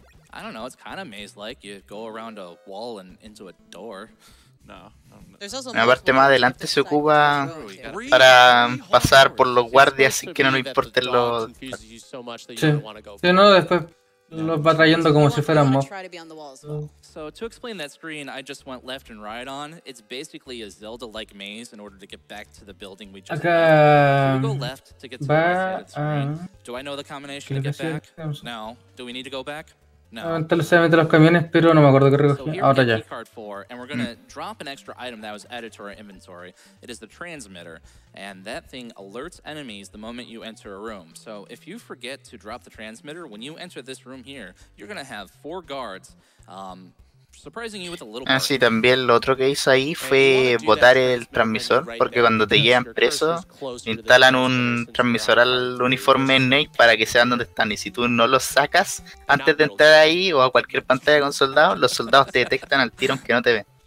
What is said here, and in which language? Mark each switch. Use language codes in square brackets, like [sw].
[en] I don't know, it's kind of maze-like. You go around a wall and into a door. [es] Una parte más adelante se ocupa para pasar por los guardias sin que no nos importen los... Sí, no, después los va trayendo como si fueran mobs. [en] So to explain that screen, I just went left and right on. It's basically a Zelda-like maze in order to get back to the building we just Can we go left to get to the screen? Do I know the combination to get back? No. Do we need to go back? No. [es] Se mete los camiones, pero no me acuerdo qué recogí. Ahora ya. [en] And we're going to drop an extra item that was added to our inventory. It is the transmitter, and that thing alerts enemies the moment you enter a room. So if you forget to drop the transmitter when you enter this room here, you're going to have four guards surprising you with a little bit. [es] Así también lo otro que hice ahí fue botar el transmisor, porque cuando te llevan preso, instalan un transmisor al uniforme Snake para que sean donde están, y si tú no lo sacas antes de entrar ahí o a cualquier pantalla con soldados, los soldados te detectan al tiro aunque no te ven.